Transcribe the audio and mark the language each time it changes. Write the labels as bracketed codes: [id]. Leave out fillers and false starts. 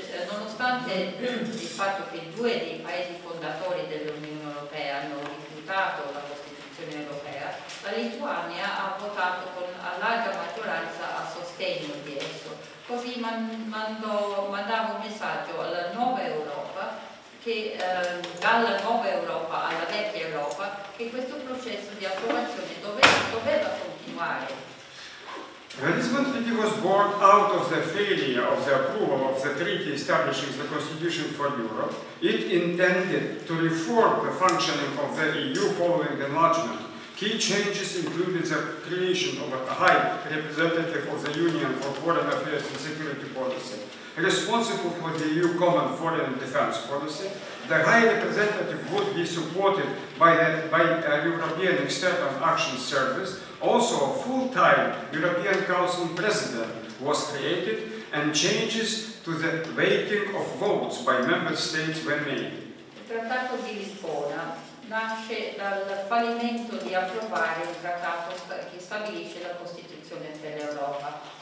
[it] Nonostante il fatto che due dei paesi fondatori dell'Unione Europea hanno rifiutato la Costituzione Europea, la Lituania ha votato con a larga maggioranza a sostegno di esso. Così mandava un messaggio alla nuova Europa, dalla nuova Europa alla vecchia Europa, che questo processo di approvazione doveva continuare. [en] The Lisbon Treaty was born out of the failure of the approval of the treaty establishing the Constitution for Europe. It intended to reform the functioning of the EU following enlargement. Key changes included the creation of a high representative of the Union for Foreign Affairs and Security Policy, responsible for the EU Common Foreign and Defence Policy. The high representative would be supported by a European External Action Service. Also, a full-time European Council President was created, and changes to the weighting of votes by member states were made. [it] Il Trattato di Lisbona nasce dal fallimento di approvare il trattato che stabilisce la Costituzione per l'Europa.